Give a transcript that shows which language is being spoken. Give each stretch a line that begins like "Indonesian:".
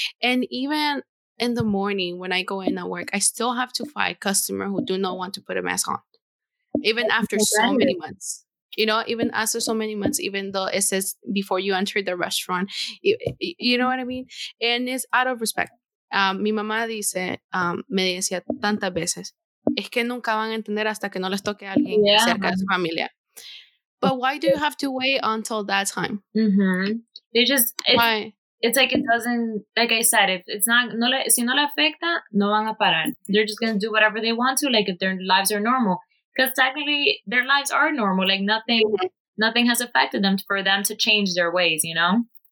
English: And even in the morning when I go in at work, I still have to fight customers who do not want to put a mask on, even after so many months. you know, even after so many months, even though it says before you enter the restaurant, you know what I mean? And it's out of respect.
Spanish: Mi mamá dice, me decía tantas veces, es que nunca van a entender hasta que no les toque a alguien cerca de su familia.
English: But why do you have to wait until that time? Why? It's like it doesn't, like I said, if it's not,
Spanish: no, si no le afecta, no van a parar.
English: They're just going to do whatever they want to, like if their lives are normal. Because technically, their lives are normal. Like nothing, nothing has affected them for them to change their ways, you know?